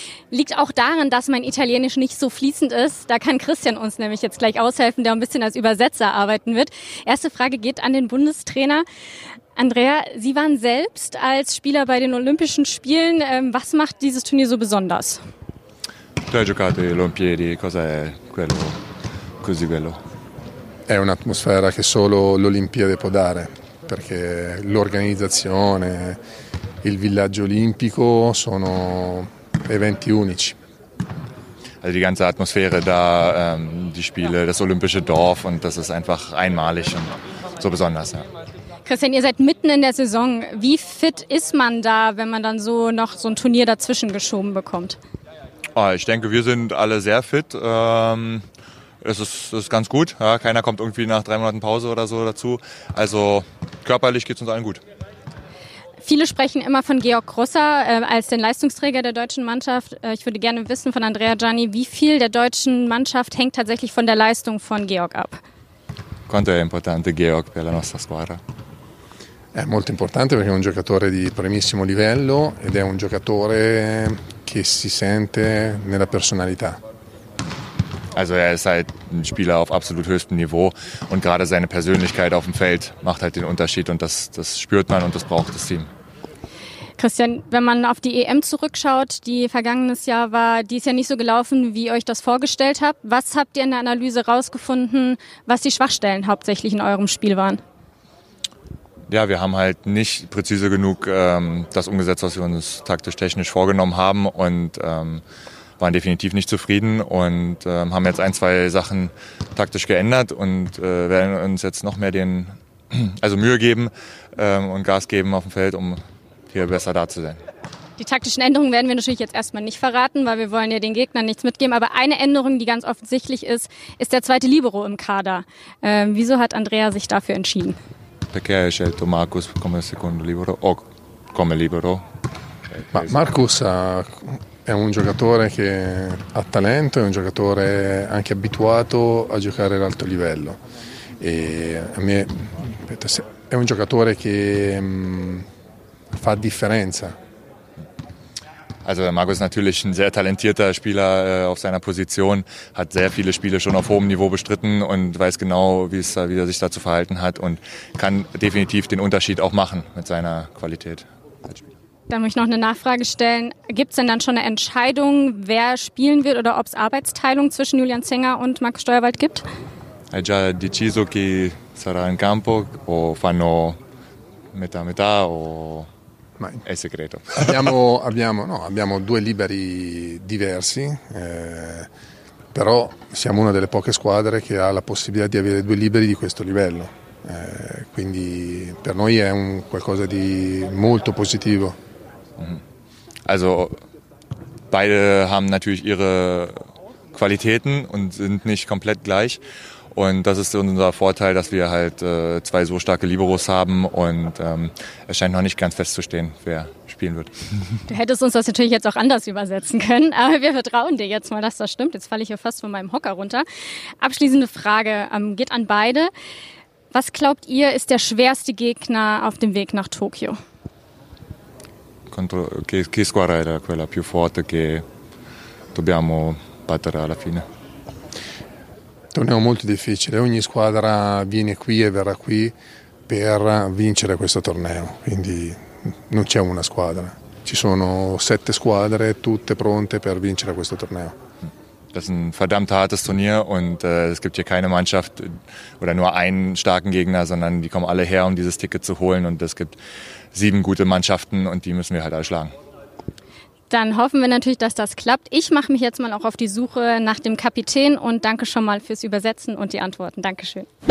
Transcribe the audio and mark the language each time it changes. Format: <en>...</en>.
<de>Liegt auch daran, dass mein Italienisch nicht so fließend ist. Da kann Christian uns nämlich jetzt gleich aushelfen, der ein bisschen als Übersetzer arbeiten wird. Erste Frage geht an den Bundestrainer. Andrea, Sie waren selbst als Spieler bei den Olympischen Spielen. Was macht dieses Turnier so besonders?</de> <it>Tu hai giocato alle Olimpiadi, cosa è quello così bello? È un'atmosfera che solo l'Olimpiade può dare, perché l'organizzazione, il villaggio olimpico sono eventi unici.</it> <de>Also die ganze Atmosphäre da, die Spiele, das olympische Dorf, und das ist einfach einmalig und so besonders, ja. Christian, ihr seid mitten in der Saison. Wie fit ist man da, wenn man dann so noch so ein Turnier dazwischen geschoben bekommt? Oh, ich denke, wir sind alle sehr fit. Es ist ganz gut. Ja, keiner kommt irgendwie nach 3 Monaten Pause oder so dazu. Also körperlich geht es uns allen gut. Viele sprechen immer von Georg Grosser als den Leistungsträger der deutschen Mannschaft. Ich würde gerne wissen von Andrea Gianni, wie viel der deutschen Mannschaft hängt tatsächlich von der Leistung von Georg ab?</de> <it>Quanto è importante Georg per la nostra squadra? È molto importante perché è un giocatore di primissimo livello ed è un giocatore che si sente nella personalità.</it> <de>Also er ist halt ein Spieler auf absolut höchstem Niveau und gerade seine Persönlichkeit auf dem Feld macht halt den Unterschied und das spürt man und das braucht das Team. Christian, wenn man auf die EM zurückschaut, die vergangenes Jahr war, die ist ja nicht so gelaufen, wie ihr euch das vorgestellt habt. Was habt ihr in der Analyse rausgefunden, was die Schwachstellen hauptsächlich in eurem Spiel waren? Ja, wir haben halt nicht präzise genug das umgesetzt, was wir uns taktisch-technisch vorgenommen haben und waren definitiv nicht zufrieden und haben jetzt ein, zwei Sachen taktisch geändert und werden uns jetzt noch mehr Mühe geben und Gas geben auf dem Feld, um hier besser da zu sein. Die taktischen Änderungen werden wir natürlich jetzt erstmal nicht verraten, weil wir wollen ja den Gegnern nichts mitgeben. Aber eine Änderung, die ganz offensichtlich ist, ist der zweite Libero im Kader. Wieso hat Andrea sich dafür entschieden?</de> <it>Perché hai scelto Marcus come secondo libero o come libero? Marcus è un giocatore che ha talento, è un giocatore anche abituato a giocare ad alto livello. E a me è un giocatore che fa differenza.</it> <de>Also Marcus ist natürlich ein sehr talentierter Spieler auf seiner Position, hat sehr viele Spiele schon auf hohem Niveau bestritten und weiß genau, wie er sich dazu verhalten hat und kann definitiv den Unterschied auch machen mit seiner Qualität als Spieler. Dann möchte ich noch eine Nachfrage stellen. Gibt es denn dann schon eine Entscheidung, wer spielen wird oder ob es Arbeitsteilung zwischen Julian Zenger und Marcus Steuerwald gibt?</de> <it>Hai già deciso chi sarà in campo o fanno metà o... È segreto. Abbiamo due liberi diversi, però siamo una delle poche squadre che ha la possibilità di avere due liberi di questo livello. Quindi per noi è un qualcosa di molto positivo.</it> <de>Also beide haben natürlich ihre Qualitäten und sind nicht komplett gleich. Und das ist unser Vorteil, dass wir halt zwei so starke Liberos haben und es scheint noch nicht ganz festzustehen, wer spielen wird. Du hättest uns das natürlich jetzt auch anders übersetzen können, aber wir vertrauen dir jetzt mal, dass das stimmt. Jetzt falle ich ja fast von meinem Hocker runter. Abschließende Frage geht an beide. Was glaubt ihr, ist der schwerste Gegner auf dem Weg nach Tokio?</de> <it>Che squadra è quella più forte che dobbiamo battere alla fine? Torneo molto difficile, ogni squadra viene qui e verrà qui per vincere questo torneo, quindi non c'è una squadra, ci sono 7 squadre tutte pronte per vincere questo torneo.</it> <de>Das ist ein verdammt hartes Turnier und es gibt hier keine Mannschaft oder nur einen starken Gegner, sondern die kommen alle her, um dieses Ticket zu holen. Und es gibt 7 gute Mannschaften und die müssen wir halt alle schlagen. Dann hoffen wir natürlich, dass das klappt. Ich mache mich jetzt mal auch auf die Suche nach dem Kapitän und danke schon mal fürs Übersetzen und die Antworten. Dankeschön.</de>